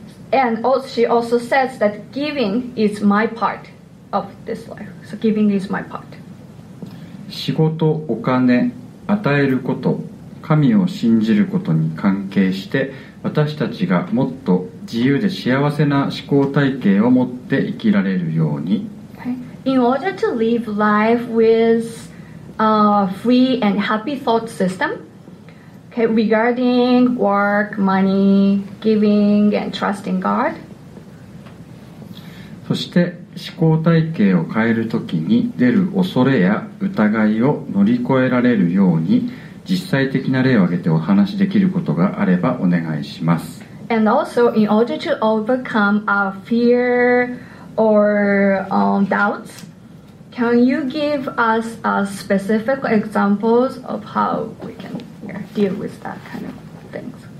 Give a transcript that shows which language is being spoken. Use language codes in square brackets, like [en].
[en] And also, she also says that giving is my part of this life. So giving is my part. [ja] 仕事、お金、与えること、神を信じることに関係して、私たちがもっと自由で幸せな思考体系を持って生きられるように。 [en] Okay. In order to live life with a free and happy thought system, okay, regarding work, money, giving, and trusting God. [ja] そして思考体系を変えるときに出る恐れや疑いを乗り越えられるように、実際的な例を挙げてお話しできることがあればお願いします。 [en] And also, in order to overcome our fear or doubts, can you give us specific examples of how we can deal with that kind of things?